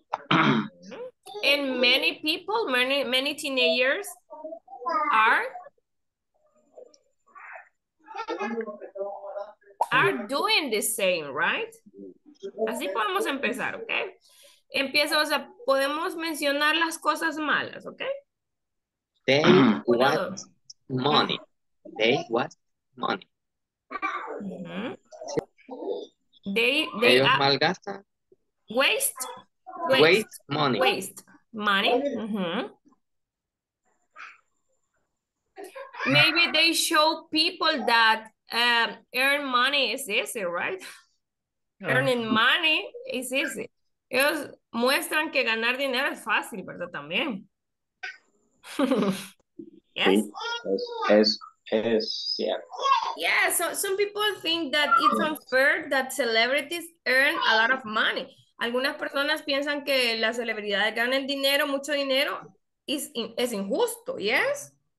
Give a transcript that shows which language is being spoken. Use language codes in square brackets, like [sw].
[en] And many people, many teenagers are doing the same, right? [es] Así podemos empezar, ¿ok? Empieza, o sea, podemos mencionar las cosas malas, ¿ok? [en] They want money. They want money. Mm-hmm. [es] Ellos malgastan. [en] Waste money. Waste money. Mm-hmm. Maybe they show people that earn money is easy, right? Earning money is easy. [es] Ellos muestran que ganar dinero es fácil, ¿verdad? También. Yes. Es cierto. [en] Yeah, so some people think that it's unfair that celebrities earn a lot of money. [es] Algunas personas piensan que las celebridades ganan dinero, mucho dinero, es injusto, yes?